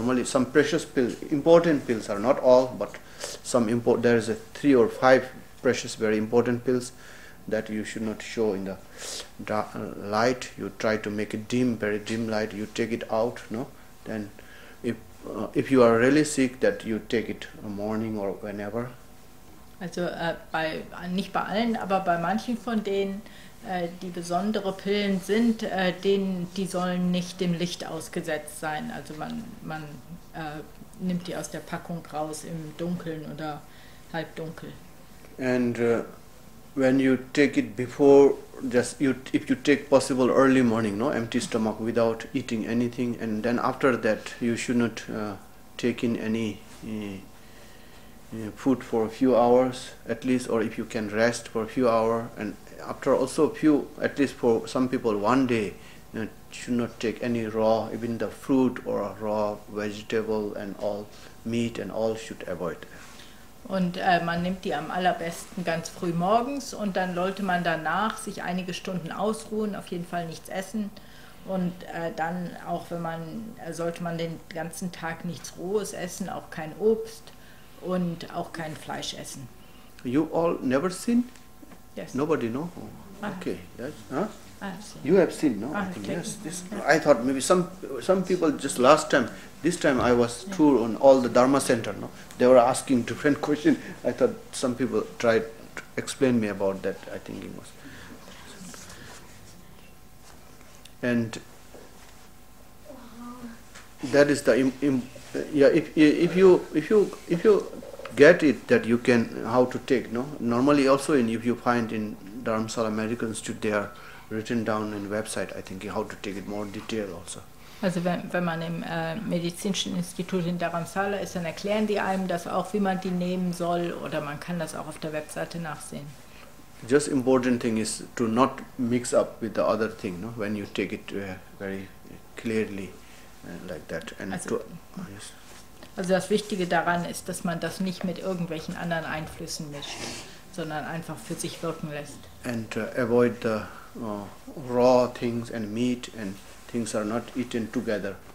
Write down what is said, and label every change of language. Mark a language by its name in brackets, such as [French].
[English] Normally some precious pills, important pills are not all, but some import, there is a 3 or 5 precious, very important pills that you should not show in the light. You try to make it dim, very dim light. You take it out, no? Then if you are really sick, that you take it morning or whenever. [German] Also bei, nicht bei allen, aber bei manchen von denen, die besondere Pillen sind, denen, die sollen nicht dem Licht ausgesetzt sein. Also man nimmt die aus der Packung raus im Dunkeln oder halbdunkel. [English] And when you take it before, just you, if you take possible early morning, no, empty stomach without eating anything, and then after that you should not take in any food for a few hours at least, or if you can rest for a few hours, and after also a few, at least for some people one day, you know, should not take any raw, even the fruit or raw vegetable and all, meat and all should avoid. [German] Und man nimmt die am allerbesten ganz früh morgens, und dann sollte man danach sich einige Stunden ausruhen, auf jeden Fall nichts essen. Und dann auch, wenn man, sollte man den ganzen Tag nichts Rohes essen, auch kein Obst und auch kein Fleisch essen. [English] You all never seen? Yes. Nobody know? Okay. Yes. Huh? Seen. You have seen, no? I think. I thought maybe some people just last time, this time I was tour on all the Dharma Center, no? They were asking different questions. I thought some people tried to explain me about that, I think it was. And that is the, if you get it, that you can, how to take, no? Normally also, in, if you find in Dharamsala Medical Institute, they are written down in website, I think, how to take it more detail also. [German] Also wenn man im Medizinischen Institut in Dharamsala ist, dann erklären die einem das auch, wie man die nehmen soll, oder man kann das auch auf der Webseite nachsehen. [English] Just important thing is to not mix up with the other thing, no? When you take it very clearly like that. And also, to, yes. [German] Also das Wichtige daran ist, dass man das nicht mit irgendwelchen anderen Einflüssen mischt, sondern einfach für sich wirken lässt. [English] And avoid the raw things and meat, and things are not eaten together.